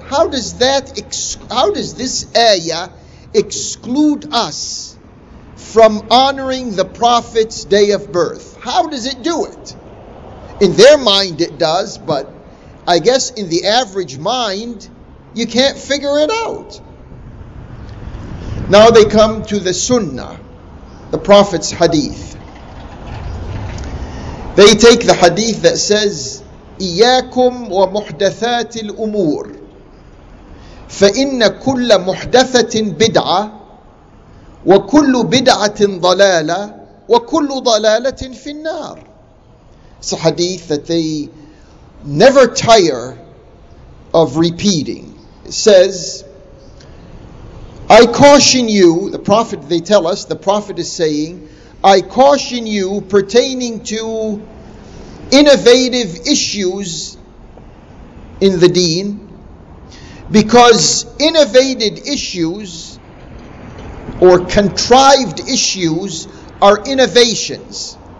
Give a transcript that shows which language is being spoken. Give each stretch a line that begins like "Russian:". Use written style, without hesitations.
English: How does this ayah exclude us from honoring the Prophet's day of birth? How does it do it? In their mind it does, but I guess in the average mind, you can't figure it out. Now they come to the Sunnah, the Prophet's hadith. They take the hadith that says,
Arabic: إياكم ومحدثات الأمور فإن كل محدثة بدعة وكل بدعة ضلالة وكل ضلالة في النار.
English: It's a hadith that they never tire of repeating. It says, I caution you, the Prophet, they tell us, the Prophet is saying, I caution you pertaining to innovative issues in the deen, because innovated issues or contrived issues are innovations,